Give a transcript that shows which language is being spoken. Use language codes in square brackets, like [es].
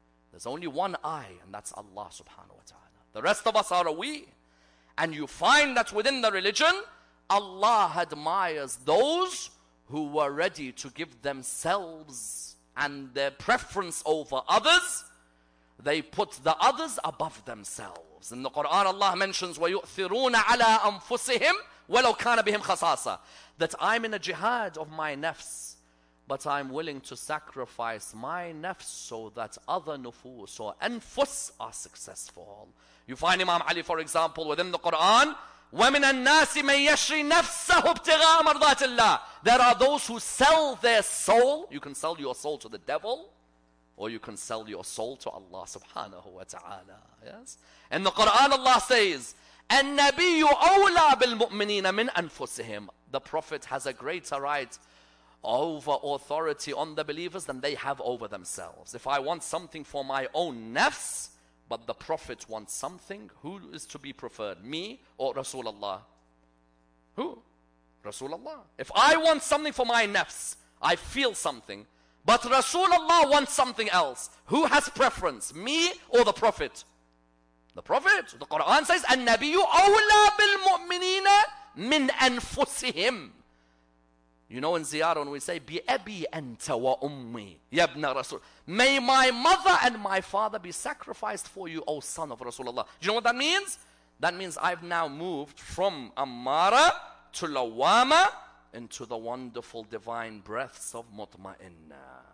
[en] There's only one I, and that's Allah [ar] subhanahu wa ta'ala. [en] The rest of us are a we. And you find that within the religion, Allah admires those who were ready to give themselves and their preference over others. They put the others above themselves. In the Quran, Allah mentions, [ar] وَيُؤْثِرُونَ عَلَىٰ أَنفُسِهِمْ وَلَوْ كَانَ بِهِمْ خَصَاصَةً. [en] That I'm in a jihad of my nafs, but I'm willing to sacrifice my nafs so that other nufus or anfus are successful. You find Imam Ali, for example, within the Quran, [ar] وَمِنَ النَّاسِ مَنْ يَشْرِي نَفْسَهُ ابْتِغَاءَ مَرْضَاتِ اللَّهِ. [en] There are those who sell their soul. You can sell your soul to the devil, or you can sell your soul to Allah [ar] subhanahu wa ta'ala. [en] Yes? In the Quran, Allah says, [ar] النَّبِيُّ أَوْلَى بِالْمُؤْمِنِينَ مِنْ أَنفُسِهِمْ. [en] The Prophet has a greater right over authority on the believers than they have over themselves. If I want something for my own nafs, but the Prophet wants something, who is to be preferred? Me or Rasulullah? Who? Rasulullah. If I want something for my nafs, I feel something, but Rasulullah wants something else, who has preference? Me or the Prophet? The Prophet. The Quran says, [ar] النبي أولى بالمؤمنين من أنفسهم. [en] You know, in ziyarah, when we say, [ar] بِأَبِي أَنْتَ وَأُمِّي يَبْنَ رَسُولُ. [en] May my mother and my father be sacrificed for you, O son of Rasulullah. Do you know what that means? That means I've now moved from Ammara to Lawama into the wonderful divine breaths of Mutma'inna.